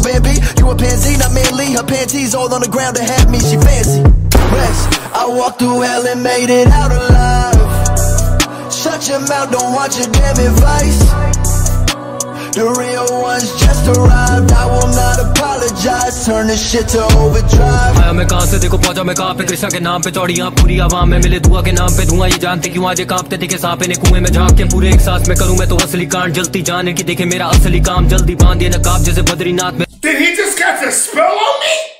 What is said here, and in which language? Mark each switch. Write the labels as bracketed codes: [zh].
[en] Bambi, you a pansy, not manly. Her panties all on the ground to have me, she fancy. Rest, I walked through hell and made it out alive. Shut your mouth, don't want your damn advice. The real ones just arrived. I will not apologize. Turn this shit to overdrive. [hi] आया मैं कहां से देखो पहुंचा मैं कहां पे कृष्णा के नाम पे चौड़ियां पूरी आवाम में मिले दुआ के नाम पे धुआं ये जानते क्यों आज कांपते थे के सांप ने कुएं में झांक के पूरे एक सांस में करूं मैं तो असली कांड जलती जाने की देखे मेरा असली काम जल्दी बांध दिए नकाब जैसे बद्रीनाथ में. [en] Did he just catch a spell on me?